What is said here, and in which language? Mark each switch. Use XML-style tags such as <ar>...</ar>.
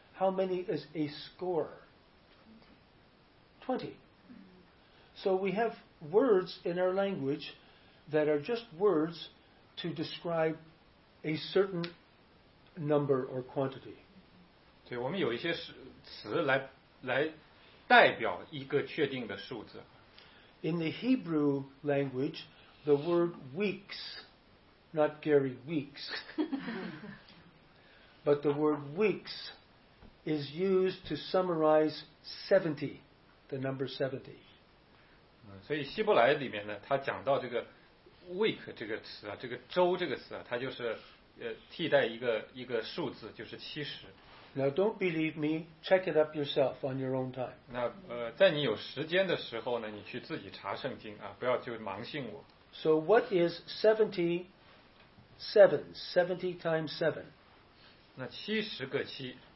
<en>How many is a score? 20. So we have words in our language that are just words to describe a certain number or quantity.</en> <zh>对，我们有一些词来代表一个确定的数字。</zh> <en>In the Hebrew language, the word weeks, not Gary Weeks, but the word weeks is used to summarize 70, the number 70.</en> <zh>所以希伯来里面呢，他讲到这个 week 这个词啊，这个周这个词啊，它就是替代一个数字，就是七十。</zh> <en>Now don't believe me, check it up yourself on your own time.</en> <zh>那在你有时间的时候呢，你去自己查圣经啊，不要就盲信我。</zh> <en>So what is 70 times 7?</en> <zh>那七十个七。</zh>